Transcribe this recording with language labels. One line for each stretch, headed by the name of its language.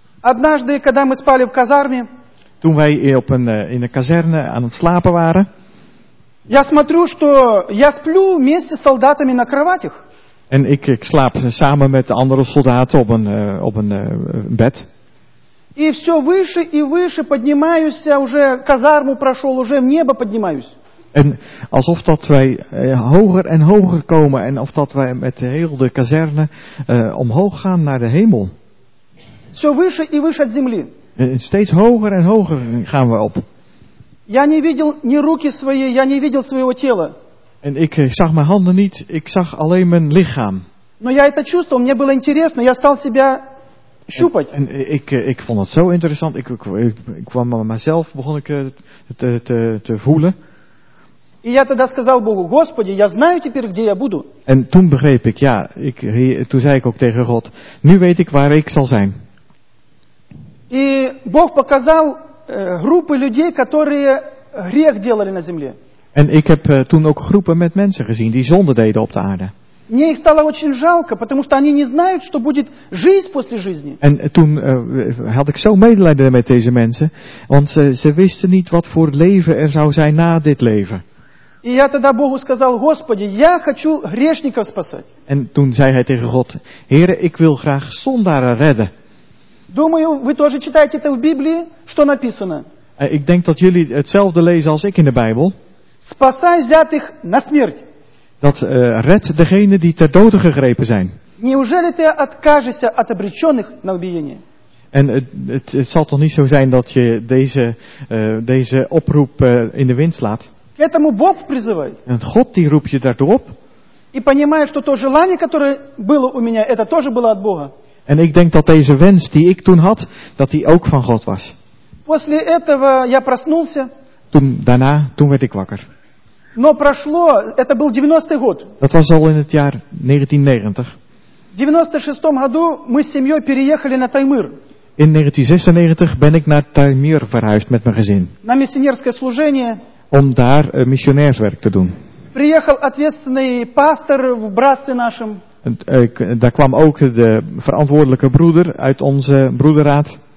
Russian: Однажды, когда мы спали в казарме,
Dutch: toen wij in een kazerne aan het slapen waren,
Russian: я смотрю, что я сплю вместе с солдатами на кроватях.
Dutch: En ik slaap samen met de andere soldaten op bed.
Russian: И все выше и выше поднимаюсь, я уже казарму прошел, уже в небо поднимаюсь.
Dutch: En alsof dat wij hoger en hoger komen en of dat wij met heel de kazerne omhoog gaan naar de hemel.
Russian: Все выше и выше от земли.
Dutch: Steeds hoger en hoger gaan we op.
Russian: Я не видел ни руки свои, я не видел своего тела.
Dutch: En ik zag mijn handen niet, ik zag alleen mijn lichaam.
Russian: Но я это чувствовал, мне было интересно, я стал себя щупать.
Dutch: En ik vond het zo interessant, ik kwam met mezelf, begon ik te voelen.
Russian: И я тогда сказал Богу, Господи, я знаю теперь, где я буду.
Dutch: En toen begreep ik, ja, toen zei ik ook tegen God, nu weet ik waar ik zal zijn.
Russian: И Бог показал группы людей, которые грех делали на земле.
Dutch: En ik heb toen ook groepen met mensen gezien, die zonde deden op de aarde.
Russian: Мне их стало очень жалко, потому что они не знают, что будет жизнь после жизни.
Dutch: En toen had ik zo medelijden met deze mensen, want ze wisten niet wat voor leven er zou zijn na dit leven.
Russian: И я тогда Богу сказал, Господи, я хочу грешников спасать.
Dutch: En toen zei hij tegen God, Heere, ik wil graag zondaren redden.
Russian: Думаю, вы тоже читаете это в Библии, что написано.
Dutch: Ik denk dat jullie hetzelfde lezen als ik in de Bijbel.
Russian: Спасай взятых на смерть.
Dutch: Dat red degene die ter dode gegrepen zijn.
Russian: Неужели ты откажешься от обреченных на убиение?
Dutch: En het zal toch niet zo zijn dat je deze oproep in de wind slaat.
Russian: К этому Бог призывает.
Dutch: En God die roept je daartoe op.
Russian: И понимая, что то желание, которое было у меня, это тоже было от Бога.
Dutch: En ik denk dat deze wens die ik toen had, dat die ook van God was.
Russian: После этого я проснулся.
Dutch: Toen werd ik wakker.
Russian: Но прошло, это был 90-й год.
Dutch: Dat was al in het jaar 1990.
Russian: В 96-м году мы с семьей переехали на Таймыр.
Dutch: In 1996 ben ik naar Таймыр verhuisd met mijn gezin.
Russian: На миссионерское служение.
Dutch: Om daar missionairswerk te doen.
Russian: Приехал ответственный пастор в братстве нашем.
Dutch: Daar kwam ook de verantwoordelijke broeder uit onze broederraad.